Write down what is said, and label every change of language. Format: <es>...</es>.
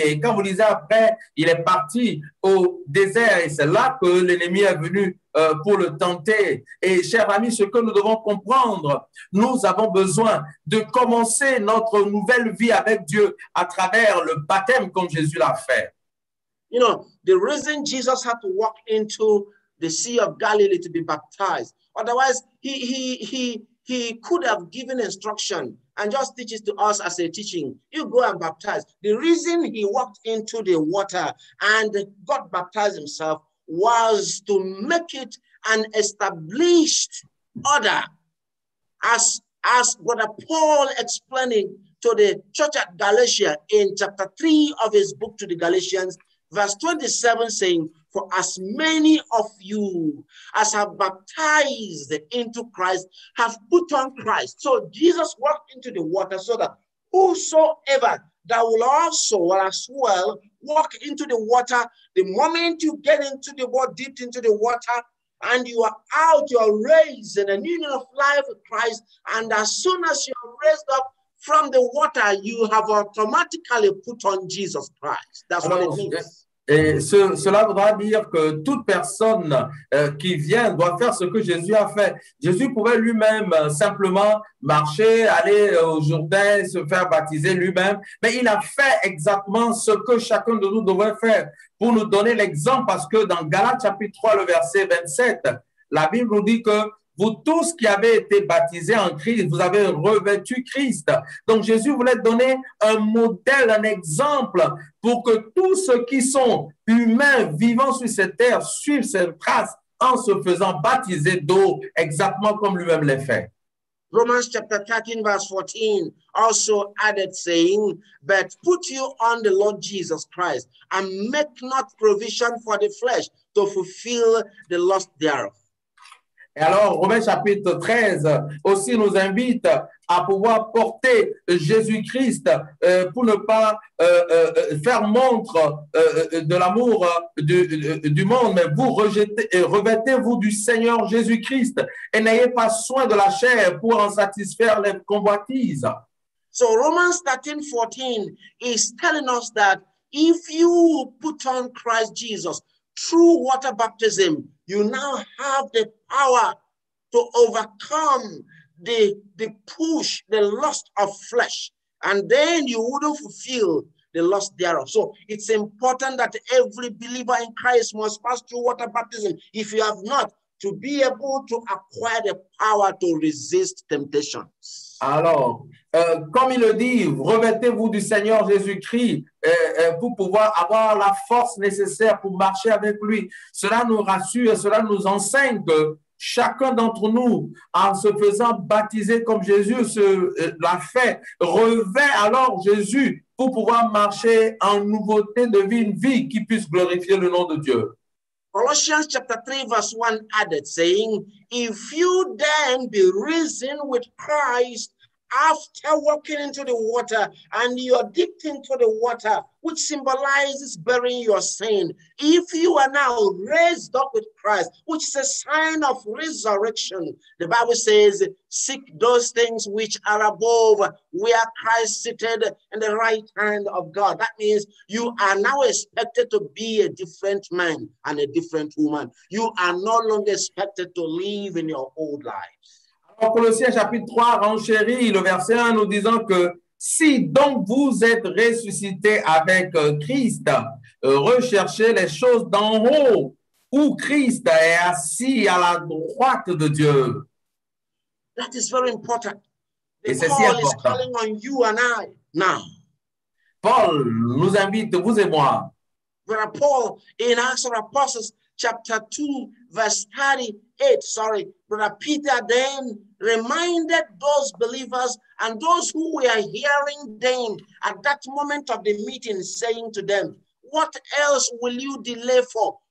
<fr>Et quand vous lisez après, il est parti au désert et c'est là que l'ennemi est venu pour le tenter. Et chers amis, ce que nous devons comprendre, nous avons besoin de commencer notre nouvelle vie avec Dieu à travers le baptême comme Jésus l'a fait.</fr> <en>You know, the reason Jesus had to walk into the Sea of Galilee to be baptized. Otherwise, he could have given instruction and just teaches to us as a teaching. You go and baptize. The reason he walked into the water and got baptized himself was to make it an established order. As Brother Paul explaining to the church at Galatia in chapter 3 of his book to the Galatians, verse 27 saying, for as many of you as have baptized into Christ have put on Christ. So Jesus walked into the water so that whosoever that will also as well walk into the water. The moment you get into the water, dipped into the water, and you are out, you are raised in a union of life with Christ. And as soon as you are raised up from the water, you have automatically put on Jesus Christ. That's what it means.</en> <fr>Et cela voudra dire que toute personne qui vient doit faire ce que Jésus a fait. Jésus pouvait lui-même simplement marcher, aller au Jourdain, se faire baptiser lui-même, mais il a fait exactement ce que chacun de nous devrait faire pour nous donner l'exemple, parce que dans Galates chapitre 3, le verset 27, la Bible nous dit que vous tous qui avez été baptisés en Christ, vous avez revêtu Christ. Donc Jésus voulait donner un modèle, un exemple pour que tous ceux qui sont humains vivant sur cette terre suivent cette trace en se faisant baptiser d'eau, exactement comme lui-même l'a fait.</fr> <en>Romans chapter 13 verse 14 also added saying, but put you on the Lord Jesus Christ and make not provision for the flesh to fulfill the lust thereof.</en> <fr>Et alors, Romains chapitre 13 aussi nous invite à pouvoir porter Jésus-Christ pour ne pas faire montre de l'amour du monde, mais vous revêtez-vous du Seigneur Jésus-Christ et n'ayez pas soin de la chair pour en satisfaire les convoitises.</fr> <en>So, Romans 13:14 is telling us that if you put on Christ Jesus through water baptism, you now have the power to overcome the push, the lust of flesh, and then you wouldn't fulfill the lust thereof. So it's important that every believer in Christ must pass through water baptism, if you have not, to be able to acquire the power to resist temptations.</en> <fr>Alors, comme il le dit, revêtez-vous du Seigneur Jésus-Christ pour pouvoir avoir la force nécessaire pour marcher avec lui. Cela nous rassure, cela nous enseigne que chacun d'entre nous, en se faisant baptiser comme Jésus l'a fait, revêt alors Jésus pour pouvoir marcher en nouveauté de vie, une vie qui puisse glorifier le nom de Dieu.</fr> <en>Colossians chapter 3 verse 1 added saying, if you then be risen with Christ after walking into the water and you're dipped into the water, which symbolizes burying your sin, if you are now raised up with Christ, which is a sign of resurrection, the Bible says, seek those things which are above, where Christ seated in the right hand of God. That means you are now expected to be a different man and a different woman. You are no longer expected to live in your old life.</en> <fr>En Colossiens chapitre 3, renchérit le verset 1 nous disant que si donc vous êtes ressuscité avec Christ, recherchez les choses d'en haut où Christ est assis à la droite de Dieu.</fr> <en>That is very important.</en> <fr>Et c'est si important.</fr> <en>Paul is calling on you and I now.</en> <fr>Paul nous invite, vous et moi.</fr> <en>Where Paul in Acts of Apostles chapter 2 verse 38, sorry, Brother Peter then reminded those believers and those who were hearing them at that moment of the meeting, saying to them, what else will you delay for?</en>